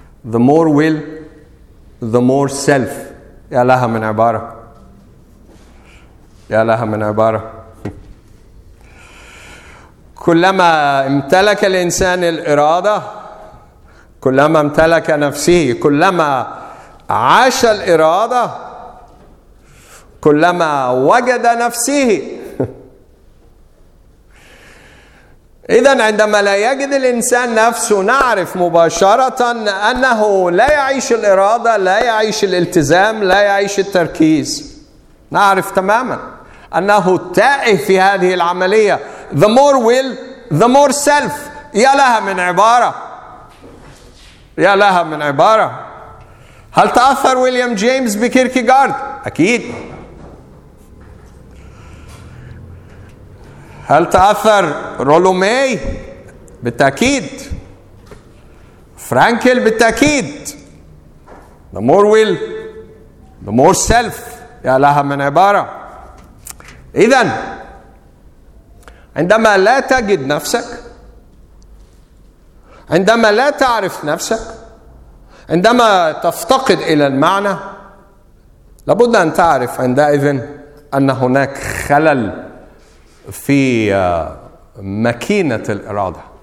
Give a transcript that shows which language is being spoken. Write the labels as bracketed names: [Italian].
[English] The more will the more self. [Arabic] يا لها من عبارة، يا لها من عبارة. كلما امتلك الإنسان الإرادة كلما امتلك نفسه، كلما عاش الإرادة كلما وجد نفسه. إذن عندما لا يجد الإنسان نفسه نعرف مباشرة أنه لا يعيش الإرادة، لا يعيش الالتزام، لا يعيش التركيز. نعرف تماما أنه تائه في هذه العملية. [English] The more will the more self. [Arabic] يا لها من عبارة، يا لها من عبارة. هل تأثر ويليام جيمس بكيركيغارد؟ أكيد. هل تأثر رولومي؟ بالتأكيد. فرانكل؟ بالتأكيد. [English] The more will the more self. [Arabic] يا لها من عبارة. إذن عندما لا تجد نفسك، عندما لا تعرف نفسك، عندما تفتقد إلى المعنى، لابد أن تعرف عندئذ أن هناك خلل في ماكينة الإرادة.